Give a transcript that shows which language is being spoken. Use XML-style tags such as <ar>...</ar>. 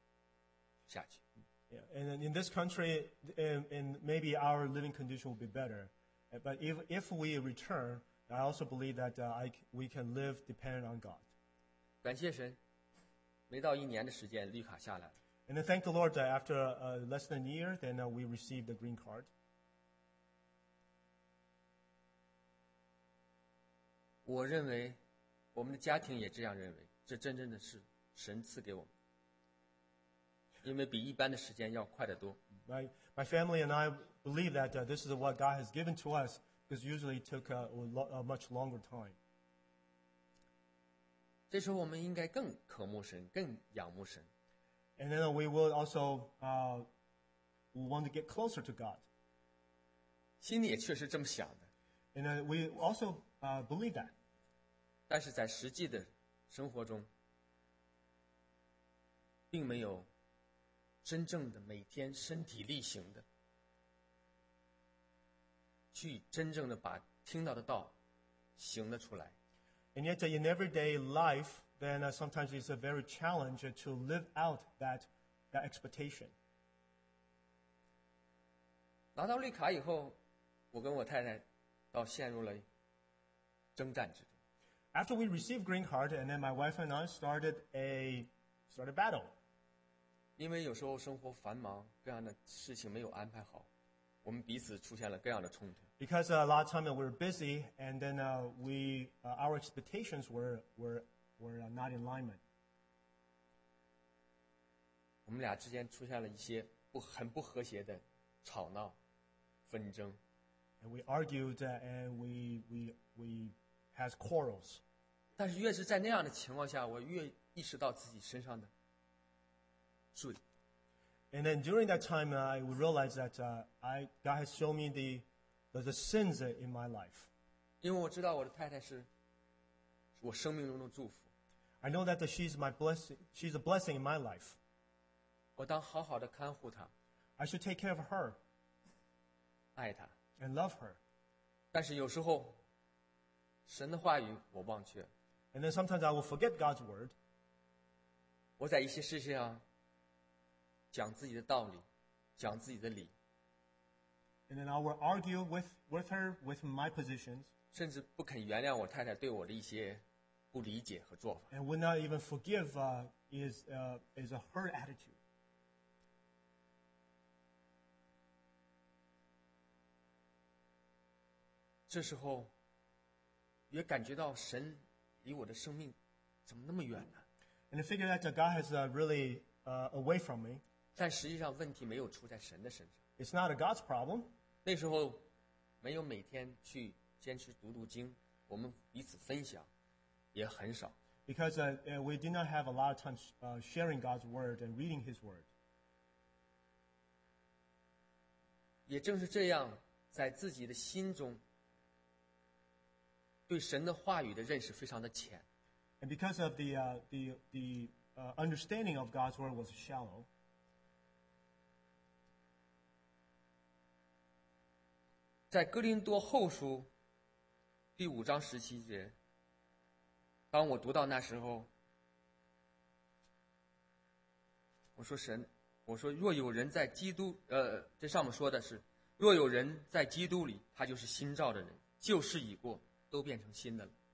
<en>Yeah, and in this country, and maybe our living condition will be better. But if we return, I also believe that we can live dependent on God.</en> <zh>感谢神, 没到一年的时间, 绿卡下来。</zh> <en>And I thank the Lord that after less than a year, then we received the green card.</en> <zh>我认为我们的家庭也这样认为，这真正的是神赐给我们。</zh> <en>My family and I believe that this is what God has given to us because usually it took a much longer time.</en> <zh>这时候我们应该更渴慕神，更仰慕神。</zh> <en>And then we will also want to get closer to God.</en> <zh>心里也确实这么想的。</zh> <en>And we also believe that.</en> <zh>但是在实际的生活中，并没有。真正的每天身体力行的去真正的把听到的道行得出来。</zh> <en>And yet in everyday life, then sometimes it's a very challenge to live out that expectation.</en> <zh>拿到绿卡以后，我跟我太太倒陷入了征战之中。</zh> <en>After we received green card, and then my wife and I started a battle.</en> <zh>因为有时候生活繁忙，各样的事情没有安排好，我们彼此出现了各样的冲突。</zh> <en>Because a lot of time that we're busy, and then our expectations were not in alignment.</en> <zh>我们俩之间出现了一些很不和谐的吵闹、纷争。</zh> <en>And we argued and we had quarrels.</en> <zh>但是越是在那样的情况下，我越意识到自己身上的罪。</zh> <en>And then during that time, I realized that God has shown me the sins in my life.</en> <zh>因为我知道我的太太是我生命中的祝福。</zh> <en>I know that she's a blessing in my life.</en> <zh>我当好好的看护她。</zh> <en>I should take care of her.</en> <zh>爱她。</zh> <en>And love her.</en> <zh>但是有时候神的话语我忘却。</zh> <en>And then sometimes I will forget God's word.</en> <zh>我在一些事情上讲自己的道理，讲自己的理。</zh> <en>And then I will argue with her with my positions.</en> <zh>甚至不肯原谅我太太对我的一些不理解和做法。</zh> <en>And will not even forgive is her attitude.</en> <zh>这时候也感觉到神离我的生命怎么那么远呢？</zh> <en>And I figure that God has really away from me.</en> <zh>但实际上问题没有出在神的身上。</zh> <en>It's not a God's problem.</en> <zh>那时候没有每天去坚持读读经，我们彼此分享也很少。</zh> <en>Because we did not have a lot of time sharing God's word and reading His word.</en> <zh>也正是这样，在自己的心中对神的话语的认识非常的浅。</zh> <en>And because of the understanding of God's word was shallow.</en> <zh>在哥林多后书第五章十七节，当我读到那时候，我说神，我说若有人在基督，这上面说的是，若有人在基督里，他就是新造的人，旧事已过，都变成新的了。</zh>